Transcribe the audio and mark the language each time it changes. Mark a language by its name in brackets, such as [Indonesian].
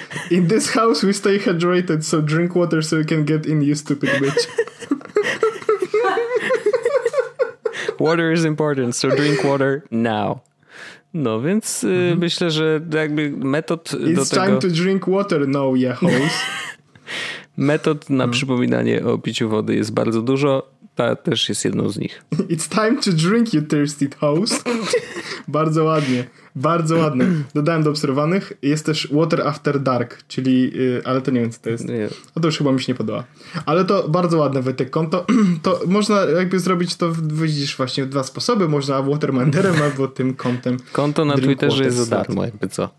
[English] In this house we stay hydrated, so drink water so you can get in, you stupid bitch. Water is important, so drink water now. [Polish] No więc myślę, że jakby metod [English] it's [Polish] do tego... [English] It's time to drink water now, ya hoes. [Polish] Metod na przypominanie o piciu wody jest bardzo dużo. Ta też jest jedną z nich. [English] It's time to drink, you thirsty hoes. [Polish] Bardzo ładnie. Bardzo ładne. Dodałem do obserwowanych. Jest też Water After Dark, czyli... ale to nie wiem, co to jest. Nie. O, to już chyba mi się nie podoba. Ale to bardzo ładne, Wojtek, konto. To można jakby zrobić to, widzisz, właśnie w dwa sposoby. Można Watermanderem albo tym kontem. Konto na Twitterze jest za darmo, jakby co.